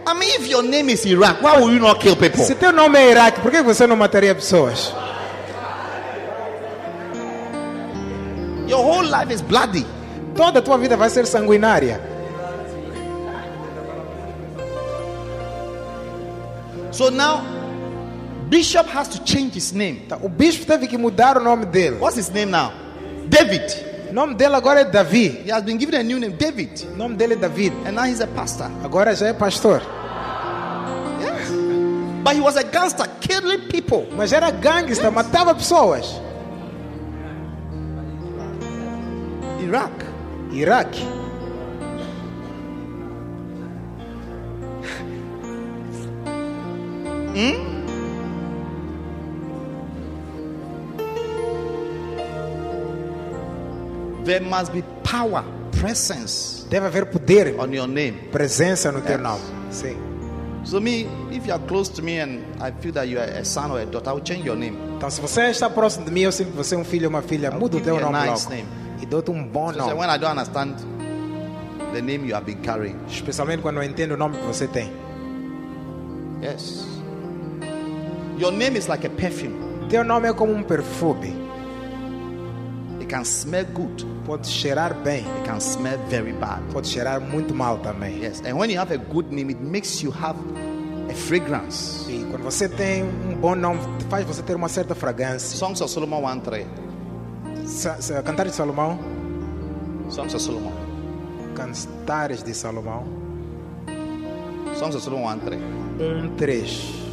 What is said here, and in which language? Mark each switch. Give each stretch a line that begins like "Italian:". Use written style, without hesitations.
English: I mean, if your name is Iraq, why would you not kill people?
Portuguese: Se teu nome é Iraq, por que você não mataria pessoas?
English: Your whole life is bloody.
Portuguese: Toda tua vida vai ser sanguinária.
English: So now, Bishop has to change his name.
Portuguese: O bispo teve que mudar o nome dele.
English: What's his name now? David.
Portuguese: O nome dele agora é Davi.
English: He has been given a new name, David.
Portuguese: O nome dele é Davi.
English: And now he's a pastor.
Portuguese: Agora já é pastor.
English: Yes. But he was a gangster, killing people.
Portuguese: Mas era gangster,
English: yes.
Portuguese: Matava pessoas. Iraq. Iraq.
English: There must be power, presence.
Portuguese: Deve haver poder
English: on your name.
Portuguese: Presença no teu nome. Sim.
English: So me, if you are close to me and I feel that you are a son or a daughter, I will change your name.
Portuguese: Então se você está próximo de mim, eu sinto que você é um filho ou uma filha, muda o teu nome.
English: A nice name.
Portuguese: E dou-te um bom nome.
English: Especially when I don't understand the name you have been carrying.
Portuguese: Especialmente quando eu entendo o nome que você tem.
English: Yes. Your name is like a perfume.
Portuguese: Teu nome é como um perfume.
English: It can smell good.
Portuguese: Pode cheirar bem.
English: It can smell very bad.
Portuguese: Pode cheirar muito mal também.
English: Yes. And when you have a good name, it makes you have a fragrance.
Portuguese: E quando você tem um bom nome, faz você ter uma certa fragrância.
English: Songs of Solomon 1:3.
Portuguese: Cantares de Salomão.
English: Songs of Solomon.
Portuguese: Cantares de Salomão.
English: Songs of Solomon 1:3. 1:3.